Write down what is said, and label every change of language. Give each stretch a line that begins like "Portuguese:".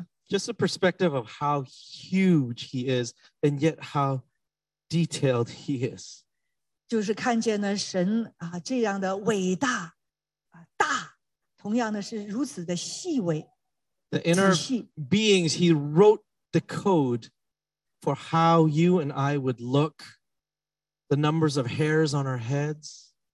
English: Just a perspective of how huge he is and yet how detailed he is.
Chinese: 就是看见了神这样的伟大，大，同样的是如此的细微。
English: The inner beings, he wrote the code for how you and I would look, the numbers of hairs on our heads.